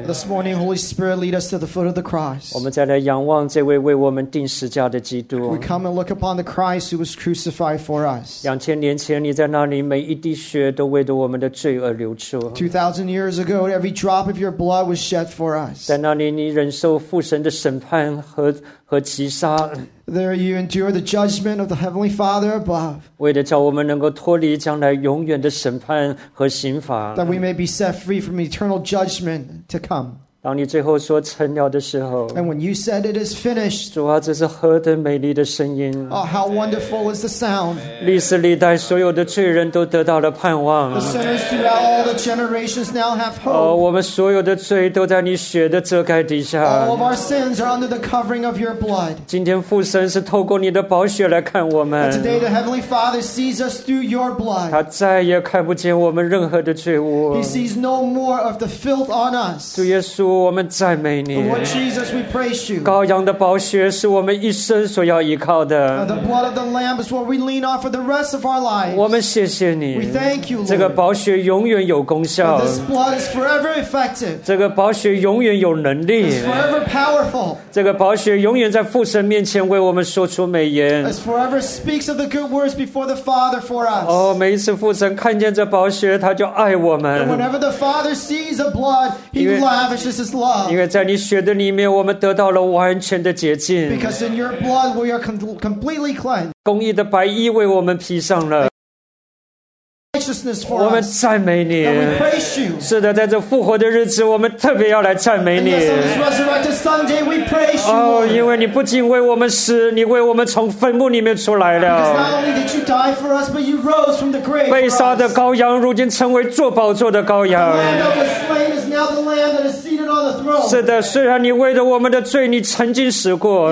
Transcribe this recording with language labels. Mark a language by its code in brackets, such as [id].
[en] This morning, Holy Spirit, lead us to the foot of the cross. [zh] 我们再来仰望这位为我们钉十字架的基督。 [en] We come and look upon the Christ who was crucified for us. 2000 years ago, [zh] 你在那里每一滴血都为着我们的罪而流出。 [en] 2000 years ago, every drop of your blood was shed for us. [zh] 在那里，你忍受父神的审判和击杀。 [en] There you endure the judgment of the Heavenly Father above. [zh] 为了叫我们能够脱离将来永远的审判和刑罚。 [en] That we may be set free from eternal judgment to come. [zh] 当你最后说成了的时候。 [en] And when you said it is finished. [zh] 主啊，这是何等美丽的声音。 [en] Oh, how wonderful is the sound. [zh] 历史历代所有的罪人都得到了盼望。 [en] The sinners throughout all the generations now have hope. [zh] 我们所有的罪都在你血的遮盖底下。 [en] All of our sins are under the covering of your blood. [zh] 今天父神是透过你的宝血来看我们。 [en] And today the Heavenly Father sees us through your blood. [zh] 他再也看不见我们任何的罪污。 [en] He sees no more of the filth on us. [zh] 主耶稣我们赞美你。 [en] Lord Jesus, we praise you. [zh] 羔羊的宝血是我们一生所要依靠的。 [en] The blood of the Lamb is what we lean on for the rest of our lives. [zh] 我们谢谢你。 [en] We thank you, Lord. [zh] 这个宝血永远有功效。 [en] This blood is forever effective. [zh] 这个宝血永远有能力。 [en] It's forever powerful. [zh] 这个宝血永远在父神面前为我们说出美言。 [en] It forever speaks of the good words before the Father for us. [zh] 每一次父神看见这宝血，他就爱我们。 [en] And whenever the Father sees the blood, he lavishes it. Because in your blood we are completely cleansed. [zh] 公义的白衣为我们披上了。 [en] Righteousness for us. [zh] 我们赞美你。 [en] And we praise you. [zh] 是的，在这复活的日子，我们特别要来赞美你。 [en] And yes, on this resurrected Sunday, we praise you. [zh] 因为你不仅为我们死，你为我们从坟墓里面出来了。 [en] Because not only did you die for us, but you rose from the grave. [zh] 被杀的羔羊如今成为坐宝座的羔羊。 [en] The Lamb that was slain is now the Lamb that is seated on the throne. [zh] 是的，虽然你为着我们的罪，你曾经死过。